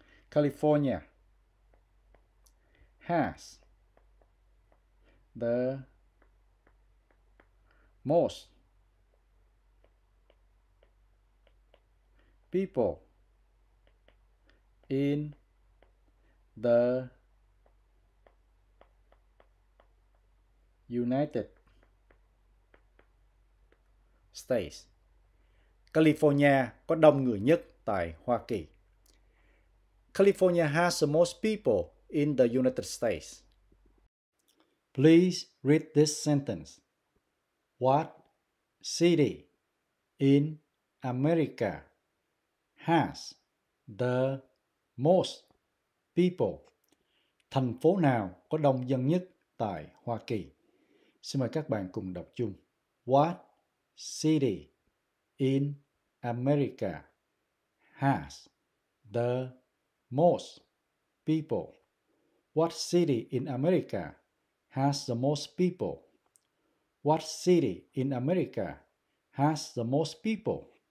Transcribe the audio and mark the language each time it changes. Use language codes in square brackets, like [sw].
[en] California has the most people in the United States. [vi] California có đông người nhất tại Hoa Kỳ. [en] California has the most people in the United States. Please read this sentence. What city in America has the most people? [vi] Thành phố nào có đông dân nhất tại Hoa Kỳ? Xin mời các bạn cùng đọc chung. [en] What city in America has the most people? What city in America has the most people? What city in America has the most people?